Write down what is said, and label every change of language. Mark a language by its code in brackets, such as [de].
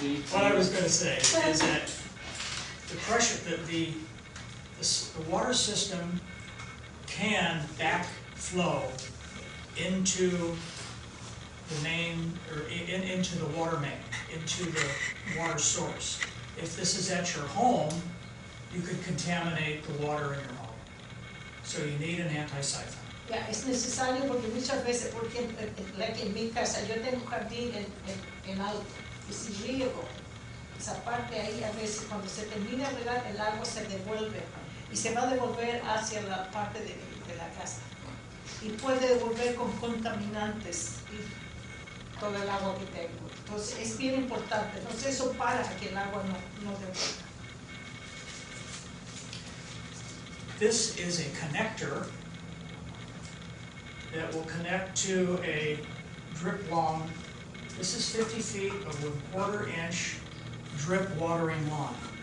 [en] What I was going to say is that the pressure, the water system can backflow into the main or into the water main, into the water source. If this is at your home, you could contaminate the water in your home. So you need an anti-siphon. [es] Ya, es necesario porque muchas veces, porque like en mi casa, yo tengo jardín en alto, y si riego, esa parte ahí a veces cuando se termina de regar, el agua se devuelve, y se va a devolver hacia la parte de la casa, y puede devolver con contaminantes, y todo el agua que tengo. Entonces es bien importante. Entonces eso para que el agua no se vaya. [en] This is a connector that will connect to a drip long. This is 50 feet of a quarter inch drip watering lawn.